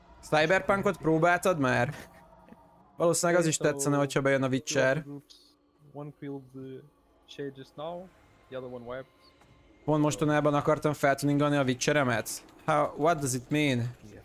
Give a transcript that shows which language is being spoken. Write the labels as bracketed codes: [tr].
[hu] Cyberpunkot próbáltad már? Valószínűleg az is tetszene, hogyha bejön a Witcher. [en] One killed the shade just now, the other one wiped. [hu] Pont mostanában akartam feltuningolni a Witcheremet. [en] How, what does it mean?